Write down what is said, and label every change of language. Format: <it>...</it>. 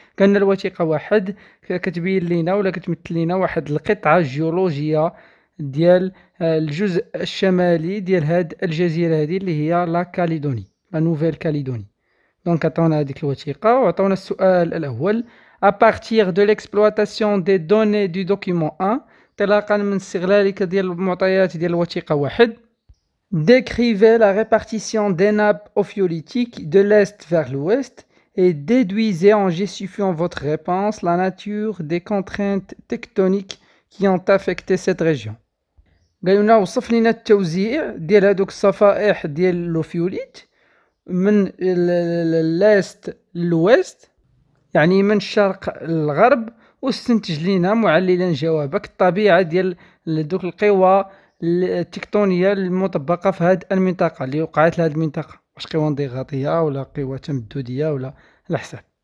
<ar>كان الوثيقة واحد كتبين لينا ولا كتمثل لينا واحد القطعة جيولوجية ديال الجزء الشمالي ديال هاد الجزيرة هادي اللي هي لا كاليدوني، لا نوفيل كاليدوني. دونك عطاونا هذيك الوثيقة وعطاونا السؤال الأول.</ar> <fr>A partir de l'exploitation des données du document 1</fr> <ar>انطلاقا من استغلالك ديال المعطيات ديال الوثيقة واحد.</ar> <fr>Décrivez la répartition des nappes ophiolitiques de l'est vers l'ouest et déduisez en justifiant votre réponse la nature des contraintes tectoniques qui ont affecté cette région.</fr> <ar>قالوا لنا وصف لنا التوزيع ديال هذوك الصفائح ديال الأوفيوليت من الليست للويست، يعني من الشرق للغرب، واستنتج لينا معللا جوابك الطبيعه ديال دوك القوى التكتونيه المطبقه في هذه المنطقه اللي وقعت لهذه المنطقه، واش قوى انضغاطيه ولا قوى تمدديه ولا الحساب.</ar>